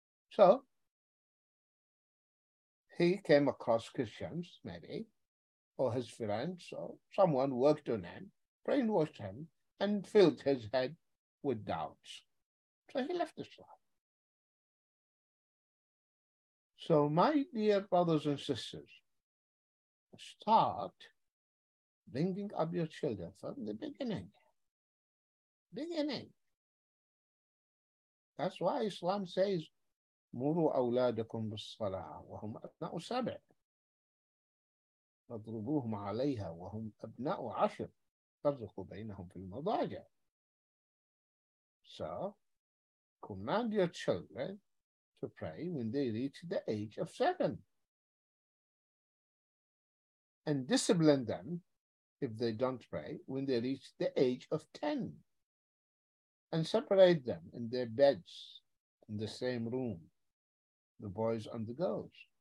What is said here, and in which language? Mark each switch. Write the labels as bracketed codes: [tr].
[en] So he came across Christians, maybe, or his friends, or someone worked on him, brainwashed him, and filled his head with doubts. So he left Islam. So my dear brothers and sisters, start bringing up your children from the beginning. Beginning. That's why Islam says, [ar] مروا أولادكم بالصلاة وهم أبناء سبع فاضربوهم عليها وهم أبناء عشر فرقوا بينهم في المضاجع. [en] So command your children to pray when they reach the age of seven and discipline them if they don't pray when they reach the age of 10 and separate them in their beds in the same room, the boys and the girls.